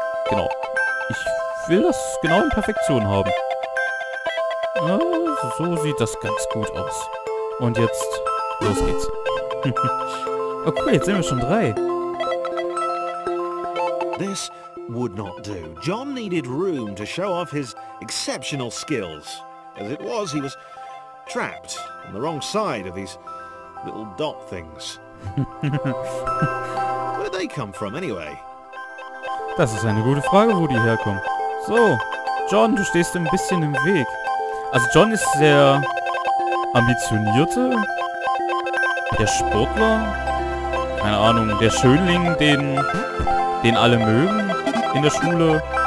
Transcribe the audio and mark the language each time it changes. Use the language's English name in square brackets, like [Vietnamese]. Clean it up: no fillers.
[German] Genau. Ich will das genau in Perfektion haben. Ja, so sieht das ganz gut aus. Und jetzt los geht's. Okay, jetzt sind wir schon drei. [English] This would not do. John needed room to show off his exceptional skills. As it was, he was trapped on the wrong side of these little dot things. Where did they come from anyway? [German] Das ist eine gute Frage, wo die herkommen. So, John, du stehst ein bisschen im Weg. Also John ist sehr ambitionierte, der Sportler, keine Ahnung, der Schönling, den alle mögen in der Schule.